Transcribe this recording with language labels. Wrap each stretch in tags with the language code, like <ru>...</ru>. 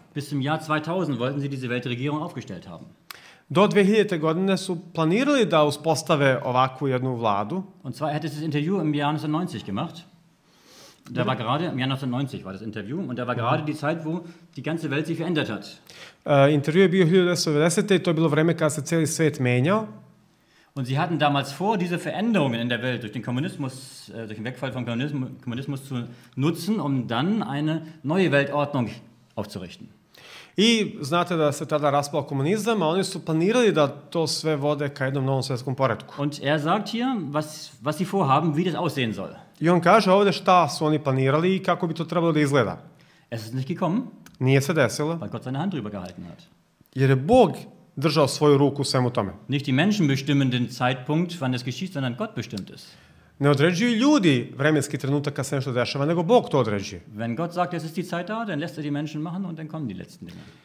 <de>Bis zum Jahr 2000 wollten sie diese Weltregierung aufgestellt haben.</de> <sr>Do 2000. godine su planirali da uspostave ovakvu jednu vladu.</sr> <de>Und zwar hat es das Interview im Jahr 1990 gemacht. Da war gerade im Jahr 1990 war das Interview und da war gerade die Zeit, wo die ganze Welt sich verändert hat.</de> <sr>Intervju je bio 1990. To je bilo vreme kada se celi svet menjao.</sr> <de>Und sie hatten damals vor, diese Veränderungen in der Welt durch den Kommunismus, durch den Wegfall von Kommunismus zu nutzen, um dann eine neue Weltordnung aufzurichten.</de> <sr>I znate da se tada raspao komunizam, a oni su planirali da to sve vode ka jednom novom svjetskom poretku.</sr> <de>Und er sagt hier, was sie vorhaben, wie das aussehen soll.</de> <sr>I on kaže ovde šta su oni planirali i kako bi to trebalo da izgleda.</sr> <de>Es ist nicht gekommen.</de> <sr>Nije se desilo.</sr> <de>Weil Gott seine Hand drüber gehalten hat.</de> <sr>Jer je Bog držao svoju ruku u svemu tome.</sr> <de>Nicht die Menschen bestimmen den Zeitpunkt, wann es geschieht, sondern Gott bestimmt es.</de> <sr>Ne određuju ljudi vremenski trenutak kad se nešto dešava, nego Bog to određuje.</sr> <de>Wenn Gott sagt, es ist die Zeit da, dann lässt er die Menschen machen und dann kommen die letzten Dinge.</de>